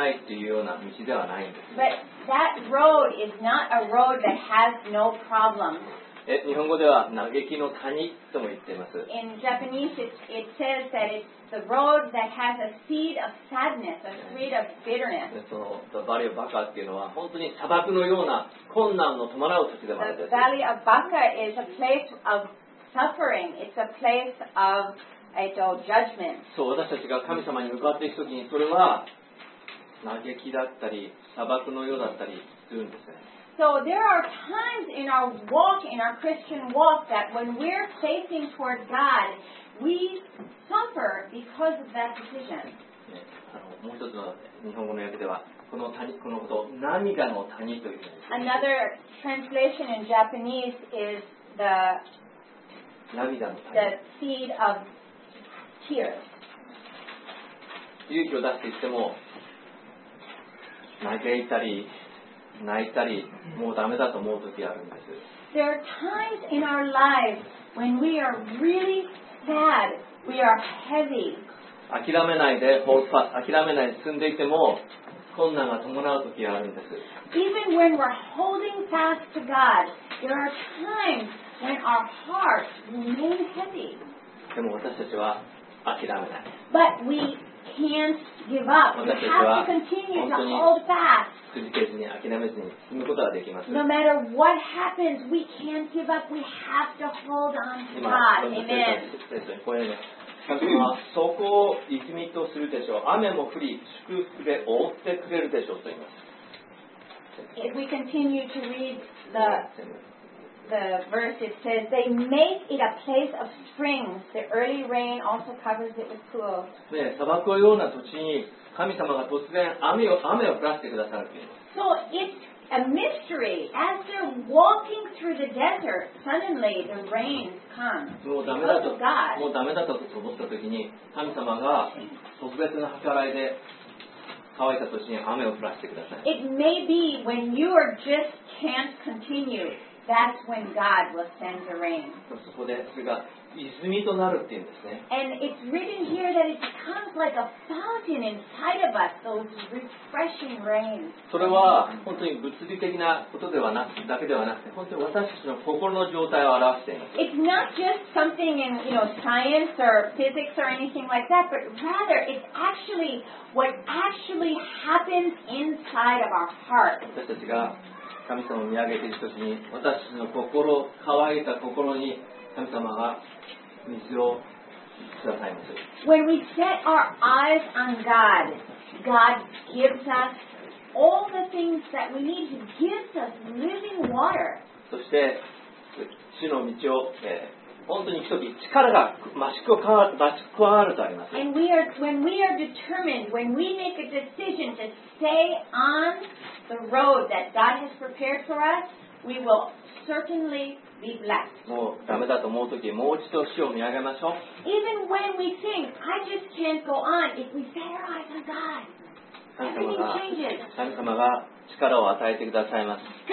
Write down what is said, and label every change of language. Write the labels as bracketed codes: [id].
[en] But that road is not a road that has no problems. [ja] 日本語では嘆きの谷とも言っています。 [en] In Japanese, it says that it's the road that has a seed of sadness, a seed of bitterness. [ja] The Valley of Baca っていうのは本当に砂漠のような困難の伴う土地でもあるんです。 [en] The Valley of Baca is a place of suffering. It's a place of judgment. [ja] そう、私たちが神様に向かっていくときに、それは嘆きだったり、砂漠の世だったりするんですね。 [en] So there are times in our walk, in our Christian walk, that when we're facing toward God, we suffer because of that decision. [ja] もう一つの日本語の訳では、この谷、このこと、涙の谷という意味です。 [en] Another translation in Japanese is the [ja] 涙の谷。 [en] The seed of tears. [ja] 勇気を出して言っても、嘆いたり、泣いたり、もうダメだと思う時あるんです。 [en] There are times in our lives when we are really sad, we are heavy. [ja] 諦めないで、諦めないで進んでいても、困難が伴う時があるんです。 [en] Even when we're holding fast to God, there are times when our hearts remain heavy. [ja] でも私たちは諦めない。 [en] But we can't give up. We have to continue to hold fast. No matter what happens, we can't give up. We have to hold on to God. Amen. [ja] そこを意味とするでしょう。雨も降り、祝福で覆ってくれるでしょうと言います。 [en] If we continue to read the verse, it says, they make it a place of springs. The early rain also covers it with pools. [ja] ね、砂漠のような土地に神様が突然雨を降らせてくださるという。 [en] So it's a mystery. As they're walking through the desert, suddenly the rains come. [ja] もうダメだと思った時に、神様が特別な計らいで乾いた土地に雨を降らせてください。 [en] It may be when you are just can't continue, that's when God will send the rain. [ja] そこでそれが泉となるっていうんですね。 [en] And it's written here that it becomes like a fountain inside of us, those refreshing rains. [ja] それは本当に物理的なことではなくだけではなくて、本当に私たちの心の状態を表しています。 [en] It's not just something in, you know, science or physics or anything like that, but rather it's actually what actually happens inside of our heart. [ja] 私たちが神様を見上げているときに、私たちの心、乾いた心に神様が水をくださいます。 [en] When we set our eyes on God, God gives us all the things that we need. He gives us living water. [ja] そして主の道を、本当に行くとき力が増し加わるとあります。 [en] And when we are determined, when we make a decision to stay on the road that God has prepared for us, we will certainly be blessed. [ja] もうダメだと思うとき、もう一度主を見上げましょう。 [en] Even when we think, I just can't go on, if we set our eyes on God, everything changes. [ja] 神様が力を与えてくださいます。